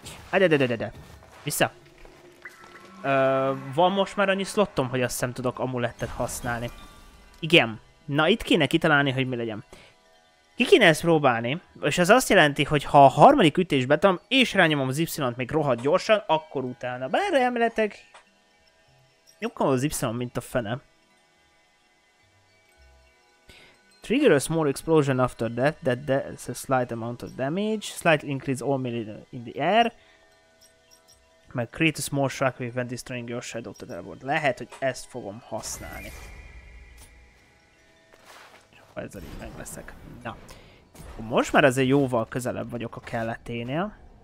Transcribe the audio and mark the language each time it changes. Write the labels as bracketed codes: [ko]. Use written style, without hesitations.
[hu] Adadadadada. Vissza. Van most már annyi slottom, hogy azt hiszem tudok amulettet használni. Igen. Na itt kéne kitalálni, hogy mi legyen. Ki kéne ezt próbálni, és ez azt jelenti, hogy ha a harmadik ütés betam, és rányomom az Y-t még rohadt gyorsan, akkor utána. Bár emeletek, nyugodtan az Y-t, mint a fene. [en] Trigger a small explosion after death, that does a slight amount of damage, slightly increase all melee in the air, meg create a small shockwave when destroying your shadow to teleport. [hu] Lehet, hogy ezt fogom használni. Ezzel így megleszek. Na. Most már azért jóval közelebb vagyok a kelleténél.